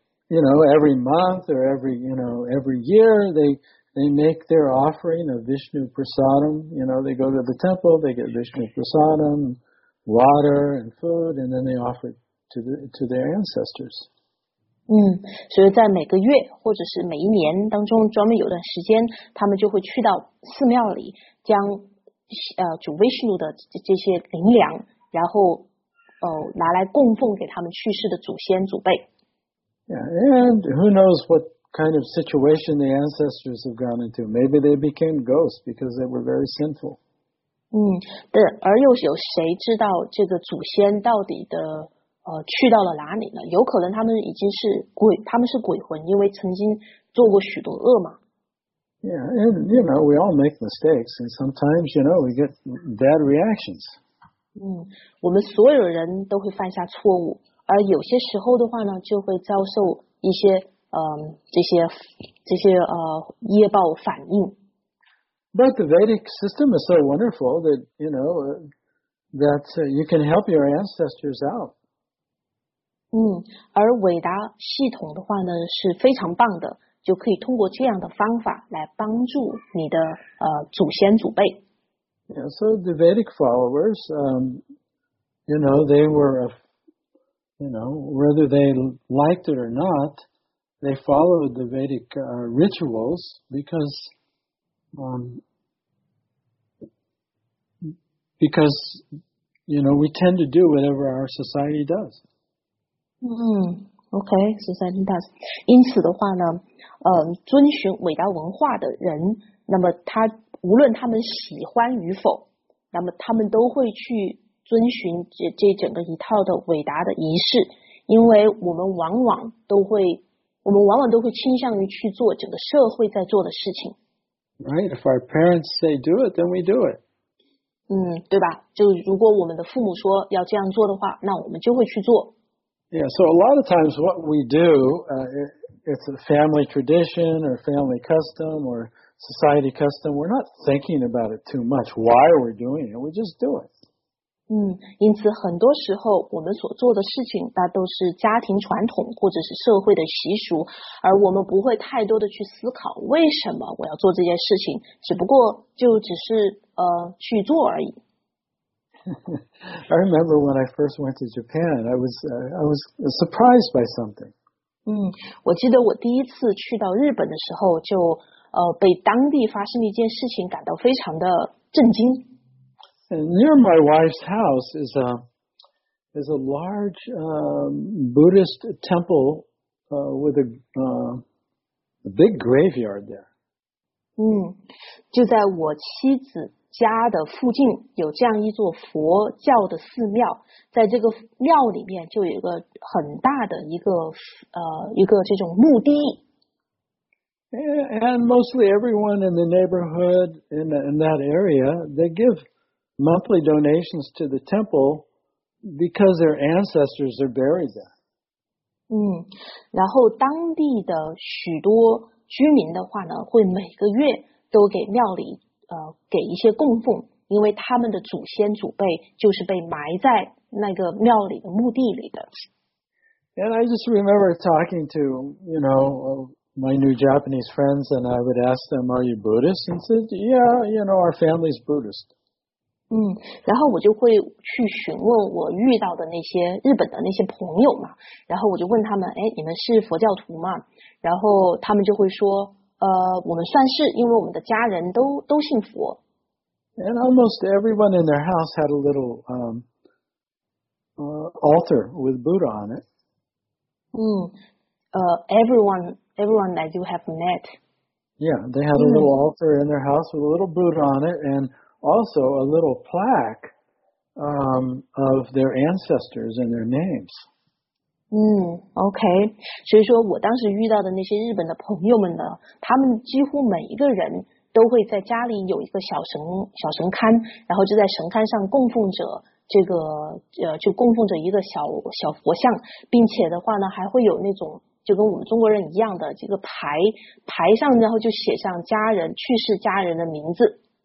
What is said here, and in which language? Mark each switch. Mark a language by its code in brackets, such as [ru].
[en] You know, every month or every year they make their offering of Vishnu Prasadam. You know, they go to the temple, they get Vishnu Prasadam. Water and food, and then they offer to their ancestors. [zh] 所以在每个月或者是每一年当中，专门有段时间，他们就会去到寺庙里，将主 Vishnu 的这些灵粮，然后拿来供奉给他们去世的祖先祖辈。 [en] Yeah, and who knows what kind of situation the ancestors have gone into? Maybe they became ghosts because they were very sinful. [zh] 而又有谁知道这个祖先到底的去到了哪里呢？有可能他们已经是鬼，他们是鬼魂，因为曾经做过许多恶嘛。 [en] Yeah, and you know, we all make mistakes, and sometimes, you know, we get bad reactions. [zh] 我们所有人都会犯下错误，而有些时候的话呢，就会遭受一些这些业报反应。 [en] But the Vedic system is so wonderful that, you know, that you can help your ancestors out. [zh] 而伟达系统的话呢是非常棒的，就可以通过这样的方法来帮助你的祖先祖辈。 [en] Yeah, so the Vedic followers, whether they liked it or not, they followed the Vedic rituals because, because, you know, we tend to do whatever our society does. Okay, society does. [zh] 因此的话呢，遵循伟大文化的人，那么他无论他们喜欢与否，那么他们都会去遵循这整个一套的伟大的仪式，因为我们往往都会倾向于去做整个社会在做的事情。 [en] Right, if our parents say do it, then we do it. [zh] 对吧，就如果我们的父母说要这样做的话，那我们就会去做。 [en] Yeah, so a lot of times what we do, it's a family tradition or family custom or society custom, we're not thinking about it too much, why we're doing it, we just do it. [zh] 因此很多时候我们所做的事情那都是家庭传统或者是社会的习俗，而我们不会太多的去思考为什么我要做这件事情，只不过就只是去做而已。 [en] I remember when I first went to Japan, I was surprised by something. [zh] 我记得我第一次去到日本的时候就被当地发生的一件事情感到非常的震惊。 [en] And near my wife's house is a large Buddhist temple with a big graveyard there. [zh] 就在我妻子家的附近有这样一座佛教的寺庙，在这个庙里面就有一个很大的一个这种墓地。 [en] And mostly everyone in the neighborhood in that area, they give monthly donations to the temple because their ancestors are buried there. [zh] 然后当地的许多居民的话呢，会每个月都给庙里给一些供奉，因为他们的祖先祖辈就是被埋在那个庙里的墓地里的。 [en] And I just remember talking to, you know, my new Japanese friends, and I would ask them, "Are you Buddhist?" And said, "Yeah, you know, our family's Buddhist." [zh] 然后我就会去询问我遇到的那些日本的那些朋友嘛，然后我就问他们，你们是佛教徒吗？然后他们就会说，我们算是，因为我们的家人都信佛。 [en] And almost everyone in their house had a little altar with Buddha on it. Everyone that you have met. Yeah, they had a little altar in their house with a little Buddha on it, and also a little plaque of their ancestors and their names. OK. [zh] 所以说我当时遇到的那些日本的朋友们呢，他们几乎每一个人都会在家里有一个小神龛，然后就在神龛上供奉着这个就供奉着一个小佛像，并且的话呢还会有那种就跟我们中国人一样的这个牌上，然后就写上家人去世家人的名字。